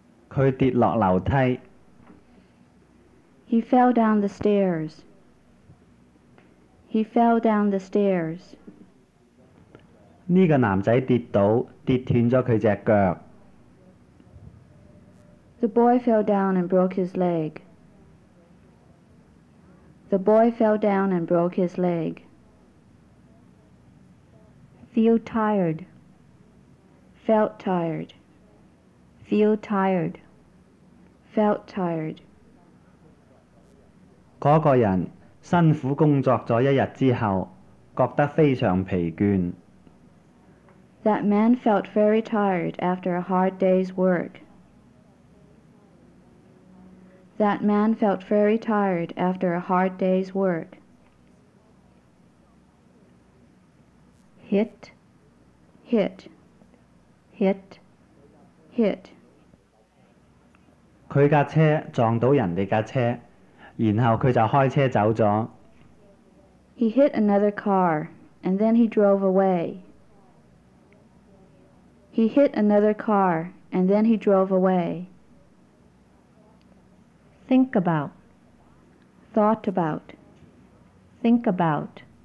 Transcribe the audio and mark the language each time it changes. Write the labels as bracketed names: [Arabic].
[Cantonese] 佢跌落樓梯。 [English] He fell down the stairs. He fell down the stairs. [Cantonese] 這個男仔跌倒，跌斷了他的腳。 [English] The boy fell down and broke his leg. The boy fell down and broke his leg. Feel tired. Felt tired. Feel tired. Felt tired. [Cantonese] 那個人辛苦工作了一天之後，覺得非常疲倦。 [English] That man felt very tired after a hard day's work. That man felt very tired after a hard day's work. Hit. Hit. Hit. Hit. [Cantonese] 佢架車撞到人哋架車，然後佢就開車走咗。 [English] He hit another car, and then he drove away. He hit another car, and then he drove away. Think about. Thought about. Think about.